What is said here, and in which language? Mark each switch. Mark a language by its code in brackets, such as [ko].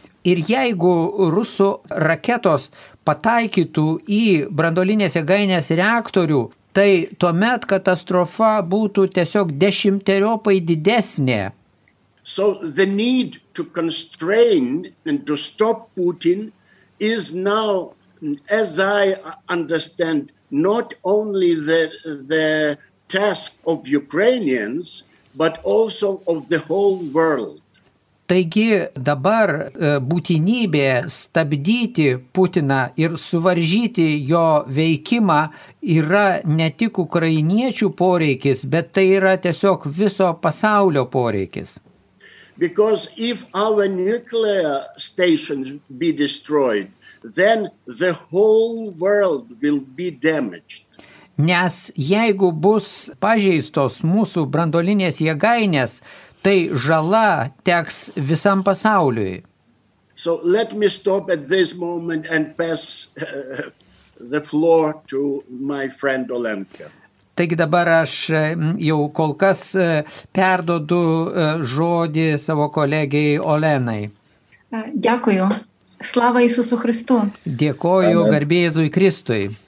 [lt] Ir jeigu rusų raketos pataikytų į branduolinės jėgainės reaktorių, tai tuomet katastrofa būtų tiesiog dešimteriopai didesnė. [en] So the need to constrain and to stop Putin is now as I understand not only the task of Ukrainians, but also of the whole world. [lt] Taigi dabar būtinybė stabdyti Putiną ir suvaržyti jo veikimą yra ne tik ukrainiečių poreikis, bet tai yra tiesiog viso pasaulio poreikis. [en] Because if our nuclear stations be destroyed, then the whole world will be damaged. [lt] Nes jeigu bus pažeistos mūsų branduolinės jėgainės, tai žala teks visam pasauliui. [en] So let me stop at this moment and pass the floor to my friend Olenka. [lt] Taigi dabar aš jau kol kas perduodu žodį savo kolegijai Olenai. [uk] Dėkuoju. Slava Jėzui Kristui. [lt] Dėkuoju garbė Jėzui Kristui.